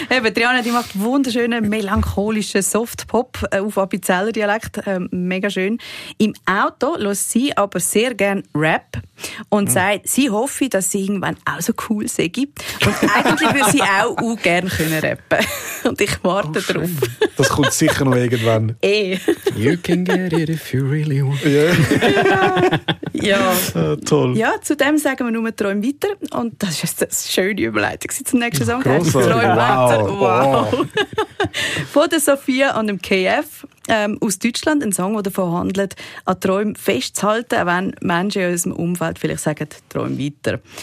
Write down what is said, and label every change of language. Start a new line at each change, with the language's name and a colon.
German: Eben, Triana, die macht wunderschönen melancholischen Softpop auf Appenzeller-Dialekt. Mega schön. Im Auto lässt sie aber sehr gerne Rap und sagt, sie hoffe, dass sie irgendwann auch so cool sei. Und eigentlich würde sie auch gerne können rappen. Und ich warte darauf. Das kommt sicher noch irgendwann.
English: You can get it if you really want. Yeah.
German: Ja. Ja. Toll. Ja, zudem sagen wir nur Träum weiter. Und das ist eine schöne Überleitung zum nächsten Song. Träum weiter. Wow. Von der Sophia und dem KF. Aus Deutschland ein Song, der davon handelt, an Träumen festzuhalten, auch wenn Menschen in unserem Umfeld vielleicht sagen, träum weiter.